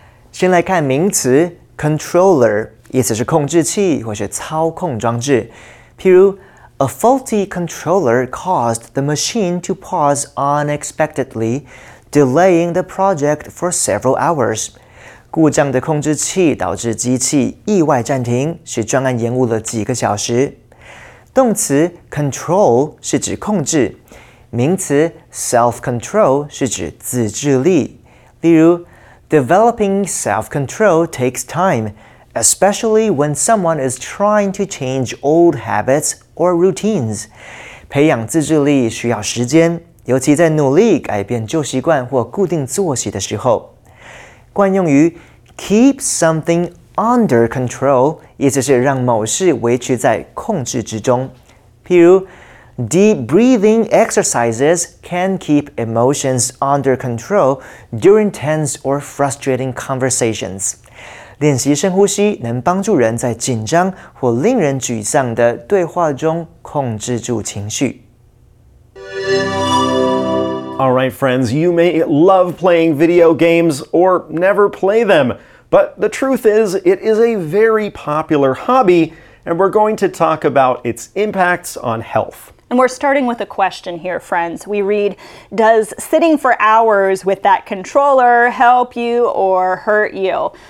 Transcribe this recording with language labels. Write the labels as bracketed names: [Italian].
[Chinese] 先来看名词 controller， 意思是控制器或是操控装置。譬如 [English] ，A faulty controller caused the machine to pause unexpectedly, delaying the project for several hours. [Chinese] 故障的控制器导致机器意外暂停，使专案延误了几个小时。动词 control 是指控制。名词 self-control 是指自制力，例如 [English] developing self-control takes time, especially when someone is trying to change old habits or routines. [Chinese] 培养自制力需要时间，尤其在努力改变旧习惯或固定作息的时候。惯用于 [English] keep something under control， [Chinese] 意思是让某事维持在控制之中，譬如 [English] Deep breathing exercises can keep emotions under control during tense or frustrating conversations. [Chinese] 练习深呼吸能帮助人在紧张或令人沮丧的对话中控制住情绪。 [English] All right, friends, you may love playing video games or never play them, but the truth is, it is a very popular hobby, and we're going to talk about its impacts on health. And we're starting with a question here, friends. We read, does sitting for hours with that controller help you or hurt you?